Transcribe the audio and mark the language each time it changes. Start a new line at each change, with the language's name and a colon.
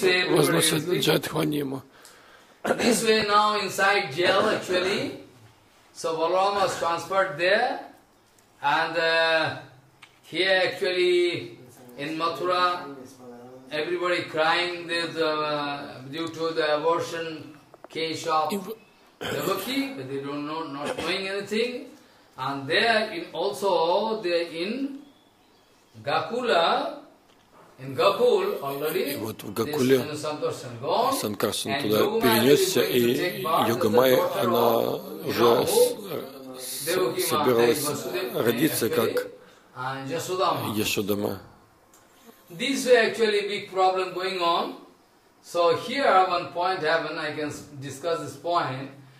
Russian: возносят джайдхвани ему.
English: This way now inside jail actually, so Balaram was transferred there, and here actually in Mathura, everybody crying there due to the abortion case of Devaki, but they don't know, not knowing anything, and there in also there in Gakula. In Gakul already,
Russian: и вот в Гакуле Санкарсан туда перенесся, и Йогамая, она уже собиралась родиться как Яшодама.
English: This way actually big problem going on. So here one point happened, I can discuss this point.